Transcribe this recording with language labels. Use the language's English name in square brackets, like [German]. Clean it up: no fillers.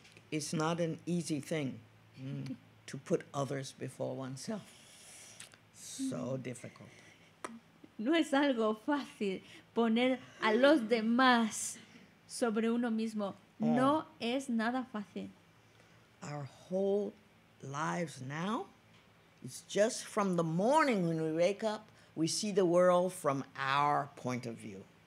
[English] It's not an easy thing to put others before oneself. So difficult. [Spanish] No es algo fácil poner a los demás sobre uno mismo. No es nada fácil. [English] Our whole lives now, it's just from the morning when we wake up, we see the world from our point of view.